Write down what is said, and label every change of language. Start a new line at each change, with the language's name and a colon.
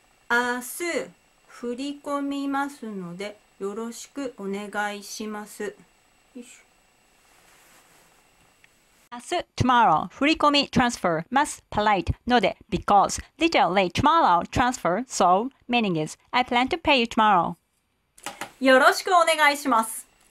Japanese: 明日振り込みますのでよろしくお願いします。
English: 明日 tomorrow
Japanese: 振り込み
English: transfer must polite ので because literally tomorrow transfer so meaning is I plan to pay you tomorrow.
Japanese: よろしくお願いします。